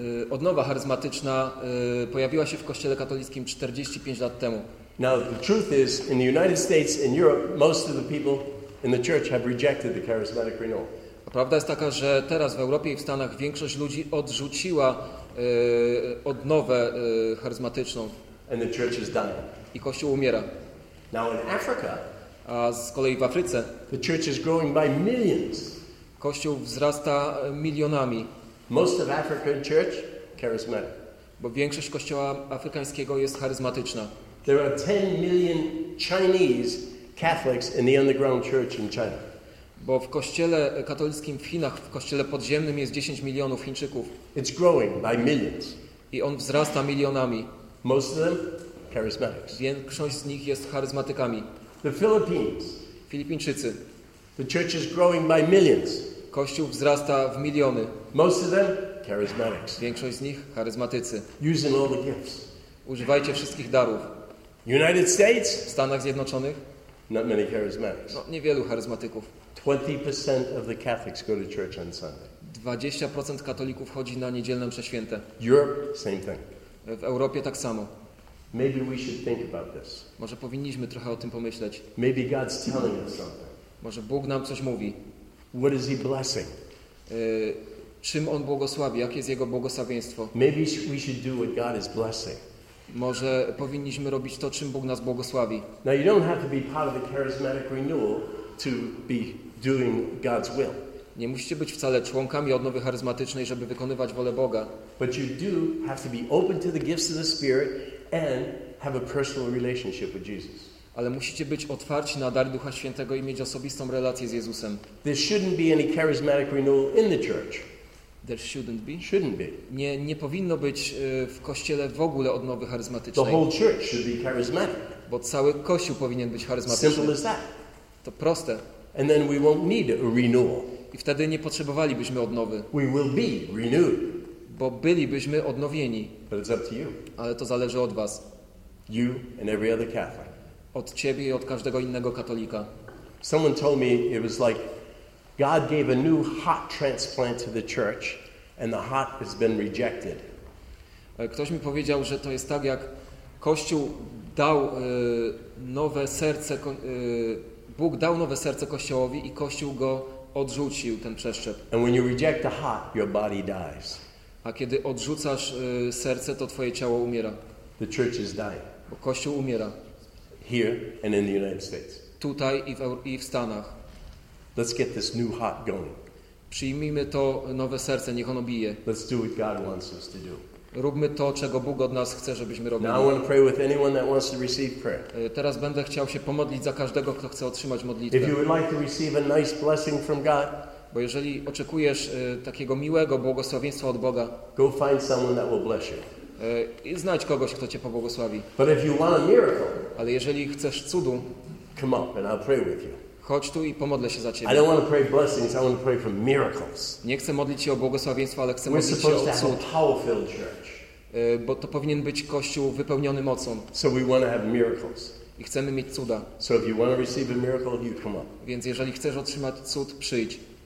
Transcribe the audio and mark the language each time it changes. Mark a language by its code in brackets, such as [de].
[pl] Odnowa charyzmatyczna pojawiła się w Kościele katolickim 45 lat temu. [en] Now the truth is, in the United States, in Europe, most of the people in the church have rejected the charismatic renewal. [pl] Prawda jest taka, że teraz w Europie i w Stanach większość ludzi odrzuciła odnowę charyzmatyczną. [en] And the church is done. [pl] I Kościół umiera. [en] Now in Africa, [pl] a z kolei w Afryce, [en] the church is growing by millions. [pl] Kościół wzrasta milionami. [en] Most of African church, charismatic. [pl] Bo większość kościoła afrykańskiego jest charyzmatyczna. [en] There are 10 million Chinese Catholics in the underground church in China. [pl] Bo w kościele katolickim w Chinach, w kościele podziemnym jest 10 milionów Chińczyków. [en] It's growing by millions. [pl] I on wzrasta milionami. [en] Most of them, charismatics. [pl] Większość z nich jest charyzmatykami. [en] The Philippines. [pl] Filipińczycy. [en] The church is growing by millions. [pl] Kościół wzrasta w miliony. [en] Most of them, charismatics. [pl] Większość z nich, charyzmatycy. [en] Using all the gifts. [pl] Używajcie wszystkich darów. [en] United States. [pl] W Stanach Zjednoczonych. [en] Not many charismatics. [pl] No, niewielu charyzmatyków. [en] 20% of the Catholics go to church on Sunday. [pl] 20% katolików chodzi na niedzielne msze święte. [en] Europe, same thing. [pl] W Europie tak samo. [en] Maybe we should think about this. [pl] Może powinniśmy trochę o tym pomyśleć. [en] Maybe God's telling us something. [pl] Może Bóg nam coś mówi. [en] What is he blessing? [pl] Czym on błogosławi? Jakie jest jego błogosławieństwo? [en] Maybe we should do what God is blessing. [pl] Może powinniśmy robić to, czym Bóg nas błogosławi. [en] Now you don't have to be part of the charismatic renewal to be doing God's will. [pl] Nie musicie być wcale członkami odnowy charyzmatycznej, żeby wykonywać wolę Boga. [en] But you do have to be open to the gifts of the Spirit and have a personal relationship with Jesus. [pl] Ale musicie być otwarci na dary Ducha Świętego i mieć osobistą relację z Jezusem. [en] There shouldn't be any charismatic renewal in the church. There shouldn't be. Shouldn't be. [pl] Nie powinno być w kościele w ogóle odnowy charyzmatycznej. [en] The whole church should be charismatic. [pl] Bo cały kościół powinien być charyzmatyczny. [en] Simple as that. [pl] To proste. [en] And then we won't need a renewal. [pl] I wtedy nie potrzebowalibyśmy odnowy. [en] We will be renewed. [pl] Bo bylibyśmy odnowieni. [en] But it's up to you. [pl] Ale to zależy od was. [en] You and every other Catholic. [pl] Od ciebie i od każdego innego katolika. [en] Someone told me it was like God gave a new heart transplant to the church and the heart has been rejected. [pl] Ktoś mi powiedział, że to jest tak, jak Kościół dał nowe serce, Bóg dał nowe serce Kościołowi i Kościół go odrzucił, ten przeszczep. [en] And when you reject the heart, your body dies. [pl] A kiedy odrzucasz serce, to twoje ciało umiera. [en] The church is dying. [pl] Bo Kościół umiera. [en] Here and in the United States. [pl] Tutaj i w Stanach. [en] Let's get this new heart going. [pl] Przyjmijmy to nowe serce, niech ono bije. [en] Let's do what God wants us to do. [pl] Róbmy to, czego Bóg od nas chce, żebyśmy robili. [en] Now I want to pray with anyone that wants to receive prayer. [pl] Teraz będę chciał się pomodlić za każdego, kto chce otrzymać modlitwę. [en] If you would like to receive a nice blessing from God, [pl] bo jeżeli oczekujesz takiego miłego błogosławieństwa od Boga, [en] go find someone that will bless you. [pl] I znajdź kogoś, kto cię pobłogosławi. [en] But if you want a miracle, [pl] ale jeżeli chcesz cudu, [en] come up and I'll pray with you. [pl] Chodź tu i pomodlę się za ciebie. [en] I don't want to pray blessings, I want to pray for miracles. [pl] Nie chcę modlić się o błogosławieństwo, ale chcę [en] We're [pl] modlić się o cud. [en] We're supposed to have a power-filled church. [pl] Bo to powinien być Kościół wypełniony mocą. [en] So we want to have miracles. [pl] I chcemy mieć cuda. [en] So if you want to receive a miracle, you come up. [pl] Więc jeżeli chcesz otrzymać cud, przyjdź.